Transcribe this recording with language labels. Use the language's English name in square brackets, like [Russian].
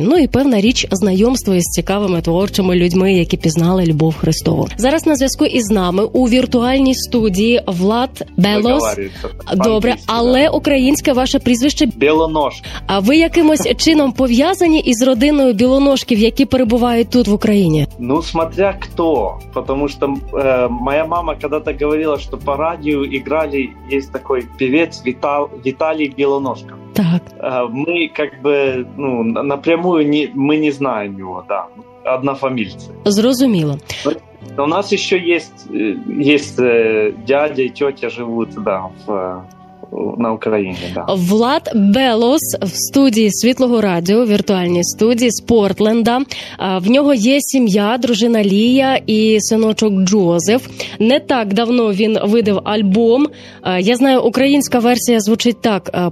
[Ukrainian] Ну і певна річ знайомство із цікавими творчими людьми, які пізнали любов Христову. Зараз на зв'язку із нами у віртуальній студії Влад Белос. Добре, але українське ваше прізвище Білонож. А ви якимось чином пов'язані із родиною Білоножків, які перебувають тут в Україні? [Russian] Ну, смотря кто. Потому что моя мама когда-то говорила, что по радио играли есть такой певец Виталий Белоножков. Так. Мы как бы, ну, напрямую мы не знаем его, да. Однофамильцы. [Ukrainian] Зрозуміло. [Russian] У нас ещё есть дядя и тётя живут, да, на Україні, так. Да. [Ukrainian] Влад Белос в студії Світлого Радіо, віртуальній студії з Портленда. В нього є сім'я, дружина Лія і синочок Джозеф. Не так давно він видав альбом. Я знаю, українська версія звучить так.